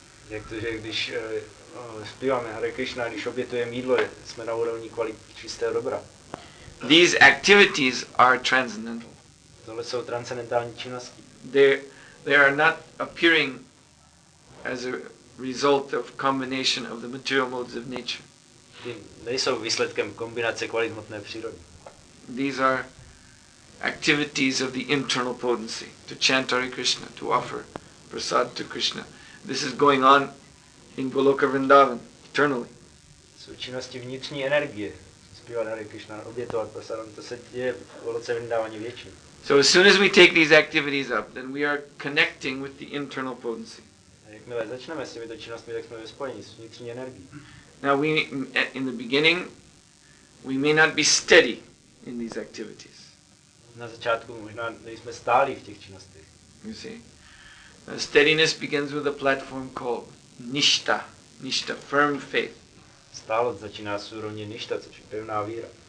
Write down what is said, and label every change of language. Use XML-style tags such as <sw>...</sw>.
<cs>Jak to, že když zpíváme Hare Krishna, když obětujeme jídlo, jsme na úrovni kvality čistého dobra.</cs> <en>These activities are transcendental.</en> <cs>Tohle jsou transcendentální činnosti.</cs> <en>They are not appearing as a result of combination of the material modes of nature.</en> <cs>Ty nejsou výsledkem kombinace kvalit hmotné přírody.</cs> <en>These are activities of the internal potency to chant Hare Krishna, to offer prasad to Krishna. This is going on in Goloka Vrindavan eternally.</en> <cs>Jsou činnosti vnitřní energie, zpívat Hare Krishna, obětovat prasadam, to se děje v Goloce Vrindavani věčně.</cs> <en>So as soon as we take these activities up, then we are connecting with the internal potency.</en> <cs>Jakmile začneme s těmito činnostmi, tak jsme ve spojení s vnitřní energií.</cs> <en>Now we, in the beginning, we may not be steady in these activities.</en> <cs>Na začátku možná nejsme stáli v těch činnostech.</cs> <en>You see? Now, steadiness begins with a platform called nishta. Nishta, firm faith.</en> <cs>Stálost začíná s úrovně nishta, což je pevná víra.</cs>